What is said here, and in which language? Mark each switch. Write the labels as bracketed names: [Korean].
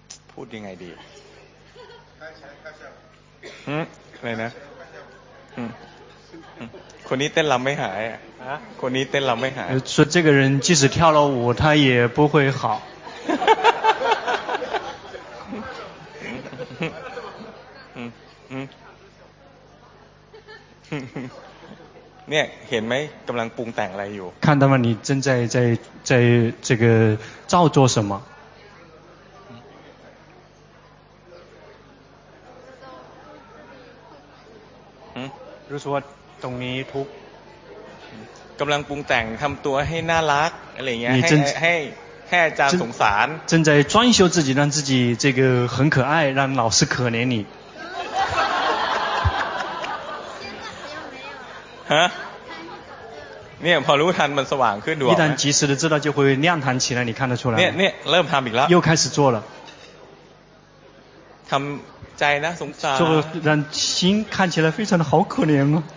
[Thai] พูดยังไงดีอะไรนะคนนี้เต้นรำไม่หายคนนี้เต้นรำไม่หาย [Chinese] 说这个人即使跳了舞他也不会好 [Thai] เนี่ยเห็นไหมกำลังปรุงแต่งอะไรอยู่ [Chinese] 看到吗你正在在这个造作什么 [Thai] รู้สึกว่าตรงนี้ทุก กำลังปรุงแต่งทำตัวให้น่ารักอะไรเงี้ยให้อาจารย์สงสาร [Chinese] 正在装修自己让自己这个很可爱让老师可怜你 [Thai] ฮะเนี่ยพอรู้ทันมันสว่างขึ้นด้ว [Chinese] ย一旦及时的知道就会亮堂起来你看得出来 [Thai] เนี่ยเนี่ยเริ่มทำอีกแล้ว [Chinese] 又开始做了 [Thai] ทำใจนะสงสาร [Chinese] 就让心看起来非常的好可怜哦